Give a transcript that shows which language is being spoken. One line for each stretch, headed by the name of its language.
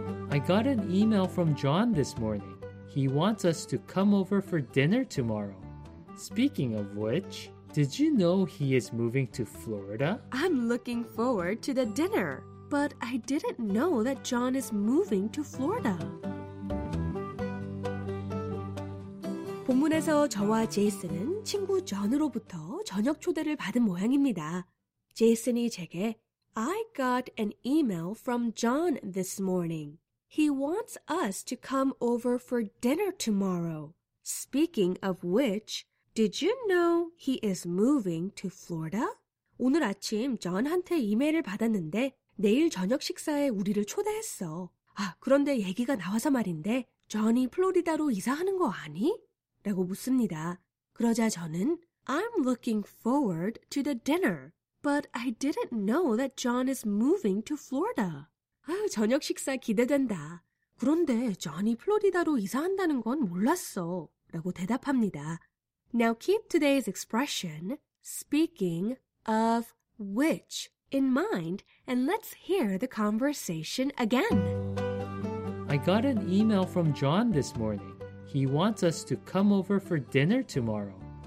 English: I got an email from John this morning. He wants us to come over for dinner tomorrow. Speaking of which, did you know he is moving to Florida? I'm looking forward to the dinner, but I didn't know that John is moving to Florida.
Korean: 본문에서 저와 제이슨은 친구 존으로부터 저녁 초대를 받은 모양입니다. 제이슨이 제게
English: I got an email from John this morning. He wants us to come over for dinner tomorrow. Speaking of which, did you know he is moving to Florida?
Korean: 오늘 아침 존한테 이메일을 받았는데 내일 저녁 식사에 우리를 초대했어. 아, 그런데 얘기가 나와서 말인데 존이 플로리다로 이사하는 거 아니? 라고 묻습니다. 그러자 저는
English: I'm looking forward to the dinner. But I didn't know that John is moving to Florida.
Korean: 아유, 저녁 식사 기대된다. 그런데 John이 플로리다로 이사한다는 건 몰랐어. 라고 대답합니다.
English: Now keep today's expression, speaking of which, in mind, and let's hear the conversation again. I got an email from John this morning. He wants us to come over for dinner tomorrow.